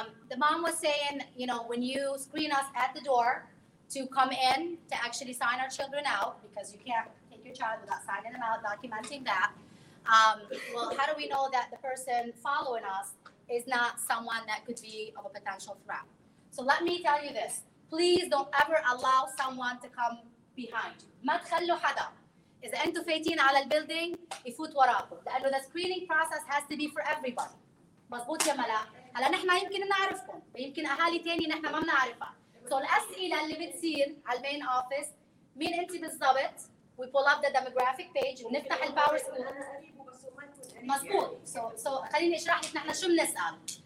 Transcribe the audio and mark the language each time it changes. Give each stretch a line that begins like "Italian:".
English: The mom was saying, you know, when you screen us at the door to come in to actually sign our children out, because you can't take your child without signing them out, documenting that. Well, how do we know that the person following us is not someone that could be of a potential threat. So let me tell you this. Please don't ever allow someone to come behind you.
Arabic: ما تخلوا حدا. إذا أنتوا فايتين على البيلدينج يفوت وراكم. لأنه
English: the screening process has to be for everybody.
Arabic: مضبوط يا ملا؟ هلا نحن يمكن نعرفكم. يمكن أهالي تاني نحن ما بنعرفها. So الأسئلة اللي بتصير على المين أوفيس مين أنت بالضبط؟
English: We pull up the demographic page
Arabic: ونفتح الباور سكول. مضبوط. So خليني أشرح لك نحن شو بنسأل.